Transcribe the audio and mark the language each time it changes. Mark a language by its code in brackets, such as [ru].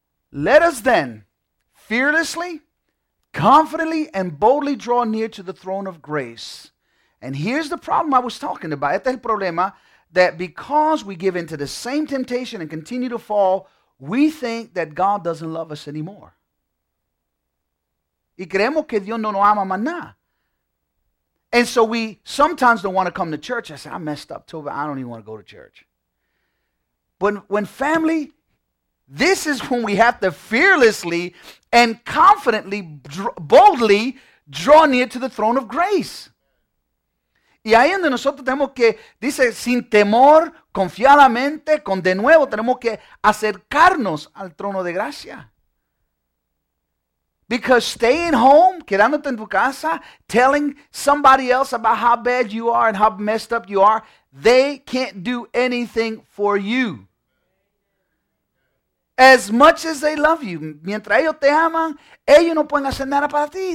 [en] Let us then fearlessly, confidently, and boldly draw near to the throne of grace. And here's the problem I was talking about. [es] Este es el problema, [en] that because we give into the same temptation and continue to fall, we think that God doesn't love us anymore. [es] Y creemos que Dios no nos ama más nada. [en] And so we sometimes don't want to come to church. I said, I messed up, Toby. I don't even want to go to church. But when family, this is when we have to fearlessly and confidently, boldly draw near to the throne of grace. [es] Y ahí donde nosotros tenemos que, dice, sin temor, confiadamente, con de nuevo, tenemos que acercarnos al trono de gracia. [en] Because staying home, [es] quedándote en tu casa, [en] telling somebody else about how bad you are and how messed up you are, they can't do anything for you. As much as they love you, [es] mientras ellos te aman, ellos no pueden hacer nada para ti.